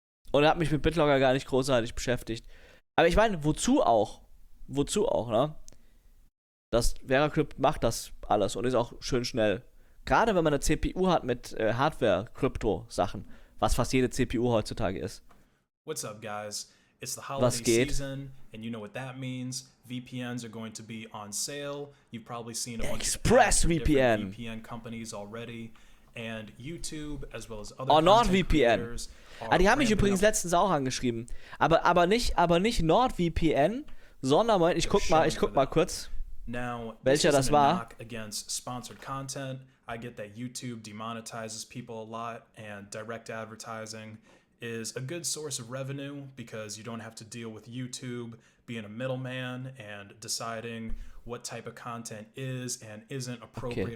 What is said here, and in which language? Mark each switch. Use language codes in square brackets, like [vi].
[de] Und hab mich mit BitLocker gar nicht großartig beschäftigt. Aber ich meine, wozu auch? Wozu auch, ne? Das VeraCrypt macht das alles und ist auch schön schnell. Gerade wenn man eine CPU hat mit Hardware-Krypto-Sachen, was fast jede CPU heutzutage ist. [en] What's up, guys? It's the holiday season, and you know what that means. VPNs are going to be on sale. You've probably seen a bunch Express of VPN. VPN companies already. And YouTube, as well as other NordVPN. [de] Ah, die haben mich übrigens letztens auch angeschrieben. Aber nicht NordVPN, sondern, ich guck mal kurz. [en] Now, [de] welcher das war? [en] Knock against sponsored content. I get that YouTube demonetizes people a lot, and direct advertising is a good source of revenue because you don't have to deal with YouTube being a middleman and deciding what type of content is and isn't appropriate okay.